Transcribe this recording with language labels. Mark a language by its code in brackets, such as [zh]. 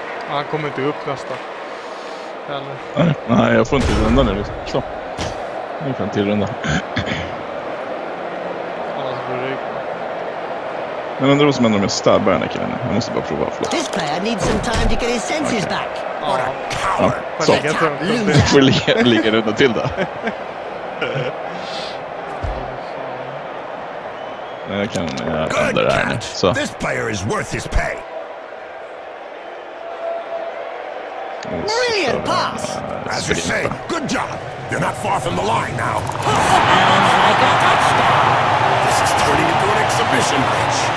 [sv] Ah, han kommer inte upp nästa. Eller? Nej, jag får inte runda nu. Så. Nu kan till runda. Annars blir det riktigt. Men undrar vad som händer om jag stabbar den här killen. Jag måste bara prova. Förlåt. [en] This player needs some time to get his senses back. [sv] Ja, så. Du får ligga runda till då. Nej, jag kan ändra det här nu. Så. [en] This player is worth his pay. Brilliant pass. As you say, good job. You're not far from the line now. This is turning into an exhibition match.